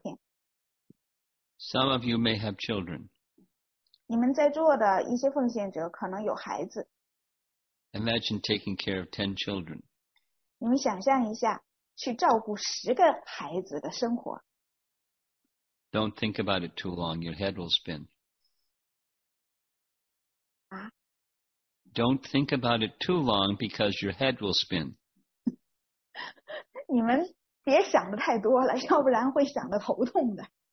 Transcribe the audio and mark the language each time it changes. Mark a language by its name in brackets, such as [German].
[Chinese] 这是巴基诺塔库和他的妻子以及他的孩子。如果我记得没错的话,他有10个孩子。这是他和他的妻子和孩子的照片,全家福的照片。 [English] Some of you may have children. [Chinese] 你们在座的一些奉献者可能有孩子。 [English] Imagine taking care of 10 children. [Chinese] 你们想象一下,去照顾10个孩子的生活。 [English] Don't think about it too long, your head will spin. 啊? Don't think about it too long because your head will spin. [Chinese] 你们别想得太多了,要不然会想得头痛的。